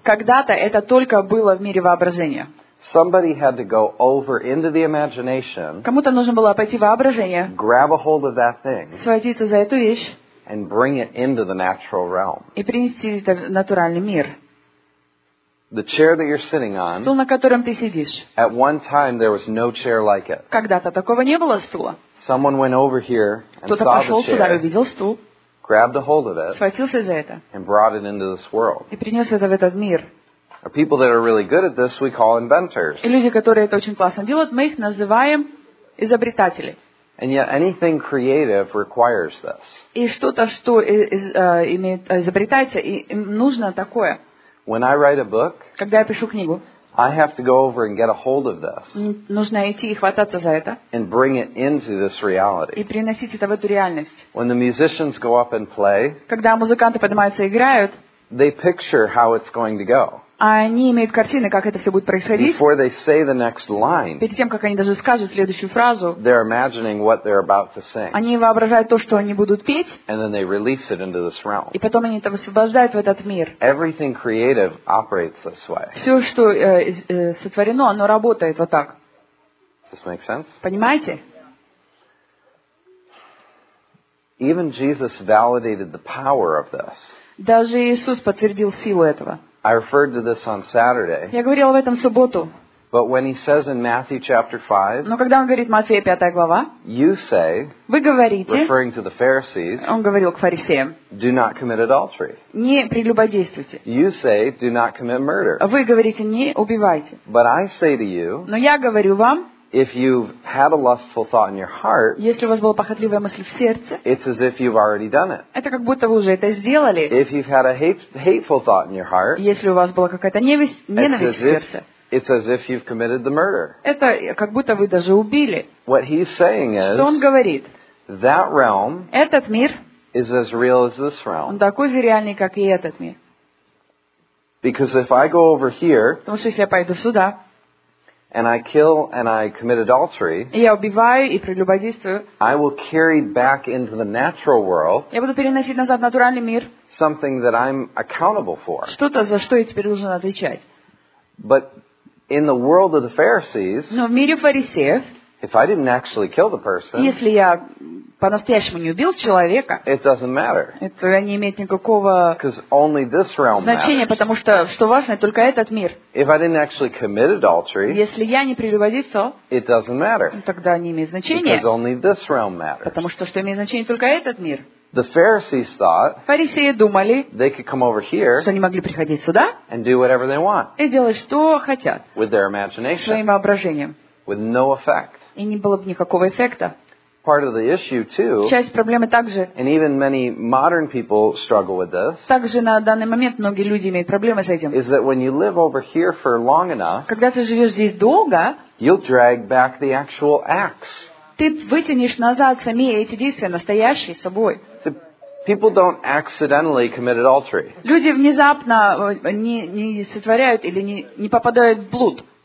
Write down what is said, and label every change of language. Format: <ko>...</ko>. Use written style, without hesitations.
<ru>Когда-то это только было в мире воображения.</ru> <en>Somebody had to go over into the imagination.</en> <ru>Кому-то нужно было пойти в воображение.</ru> <en>Grab a hold of that thing.</en> <ru>Схватиться за эту вещь.</ru> <en>And bring it into the natural realm.</en> <ru>И принести это в натуральный мир.</ru> <en>The chair that you're sitting on.</en> <ru>Стул, на котором ты сидишь.</ru> <en>At one time there was no chair like it.</en> <ru>Когда-то такого не было стула.</ru> <en>Someone went over here and saw the chair.</en> <ru>Кто-то пошел сюда и увидел стул.</ru> <en>Grabbed a hold of it.</en> <ru>Схватился за это.</ru> <en>And brought it into this world.</en> <ru>И принес это в этот мир.</ru> <en>The people that are really good at this we call inventors.</en> <ru>И люди, которые это очень классно делают, мы их называем изобретатели.</ru> <en>And yet anything creative requires this.</en> <ru>И что-то, что изобретается, нужно такое.</ru> <en>When I write a book,</en> <ru>когда я пишу книгу,</ru> <en>I have to go over and get a hold of this.</en> <ru>Нужно идти и хвататься за это.</ru> <en>And bring it into this reality.</en> <ru>И приносить это в эту реальность.</ru> <en>When the musicians go up and play,</en> <ru>когда музыканты поднимаются и играют,</ru> <en>they picture how it's going to go.</en> <ru>Они имеют картины, как это все будет происходить.</ru> <en>Before they say the next line,</en> <ru>перед тем, как они даже скажут следующую фразу,</ru> <en>they're imagining what they're about to sing.</en> <ru>Они воображают то, что они будут петь.</ru> <en>And then they release it into this realm.</en> <ru>И потом они это высвобождают в этот мир.</ru> <en>Everything creative operates this way.</en> <ru>Все, что сотворено, оно работает вот так.</ru> <en>Does this make sense?</en> <ru>Понимаете?</ru> <en>Even Jesus validated the power of this.</en> <ru>Даже Иисус подтвердил силу этого.</ru> <en>I referred to this on Saturday.</en> <ru>Я говорил об этом в субботу.</ru> <en>But when he says in Matthew chapter 5,</en> <ru>но когда он говорит в Матфея 5 глава,</ru> <en>you say,</en> <ru>вы говорите,</ru> <en>referring to the Pharisees,</en> <ru>он говорил к фарисеям,</ru> <en>do not commit adultery.</en> <ru>Не прелюбодействуйте.</ru> <en>You say, do not commit murder.</en> <ru>Вы говорите, не убивайте.</ru> <en>But I say to you,</en> <ru>но я говорю вам,</ru> <en>if you've had a lustful thought in your heart,</en> <ru>если у вас была похотливая мысль в сердце,</ru> <en>it's as if you've already done it.</en> <ru>Это как будто вы уже это сделали.</ru> <en>If you've had a hateful thought in your heart,</en> <ru>если у вас была какая-то ненависть в сердце,</ru> <en>it's as if you've committed the murder.</en> <ru>Это как будто вы даже убили.</ru> <en>What he's saying is,</en> <ru>что он говорит,</ru> <en>that realm,</en> <ru>этот мир,</ru> <en>is as real as this realm.</en> <ru>Он такой же реальный, как и этот мир.</ru> <en>Because if I go over here,</en> <ru>потому что если я пойду сюда,</ru> <en>and I kill and I commit adultery,</en> <ru>я убиваю и прелюбодействую,</ru> <en>I will carry back into the natural world,</en> <ru>я буду переносить назад в натуральный мир,</ru> <en>something that I'm accountable for.</en> <ru>Что-то, за что я теперь должен отвечать.</ru> <en>But in the world of the Pharisees,</en> <ru>но в мире фарисеев,</ru> <en>if I didn't actually kill the person,</en> <ru>если я по-настоящему не убил человека,</ru> <en>it doesn't matter.</en> <ru>Это не имеет никакого значения, потому что, что важно, только этот мир.</ru> <en>If I didn't actually commit adultery,</en> <ru>если я не прелюбодействовал,</ru> <en>it doesn't matter.</en> <ru>Тогда не имеет значения,</ru> <en>because only this realm matters.</en> <ru>Потому что, что имеет значение, только этот мир.</ru> <en>The Pharisees thought,</en> <ru>фарисеи думали,</ru> <en>they could come over here,</en> <ru>что они могли приходить сюда,</ru> <en>and do whatever they want,</en> <ru>и делать, что хотят,</ru> <en>with their imagination,</en> <ru>своим воображением,</ru> <en>with no effect.</en> <ru>И не было бы никакого эффекта.</ru> <en>Part of the issue too.</en> <ru>Часть проблемы также.</ru> <en>And even many modern people struggle with this.</en> <ru>Также на данный момент многие люди имеют проблемы с этим.</ru> <en>Is that when you live over here for long enough?</en> <ru>Когда ты живешь здесь долго,</ru> <en>you'll drag back the actual acts.</en> <ru>Ты вытянешь назад сами эти действия настоящие собой.</ru> <en>People don't accidentally commit adultery.</en> <ru>Люди внезапно не сотворяют или не попадают в блуд.</ru>